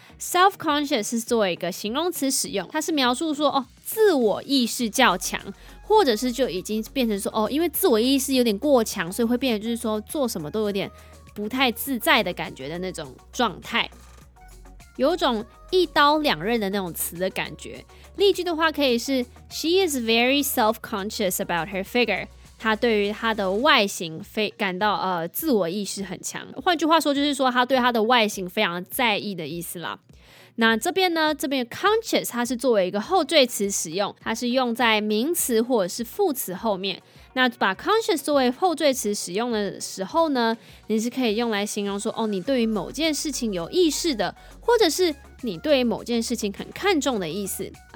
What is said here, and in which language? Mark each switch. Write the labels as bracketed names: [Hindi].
[Chinese] Self-conscious 是作为一个形容词使用，它是描述说，哦，自我意识较强，或者是就已经变成说，哦，因为自我意识有点过强，所以会变成就是说做什么都有点不太自在的感觉的那种状态，有种一刀两刃的那种词的感觉。例句的话可以是 [English] She is very self-conscious about her figure. [Chinese] 他对于他的外形非感到自我意识很强，换句话说就是说他对他的外形非常在意的意思啦。那这边呢，这边 conscious 它是作为一个后缀词使用，它是用在名词或者是副词后面。那把 conscious 作为后缀词使用的时候呢，你是可以用来形容说，哦，你对于某件事情有意识的，或者是你对某件事情很看重的意思。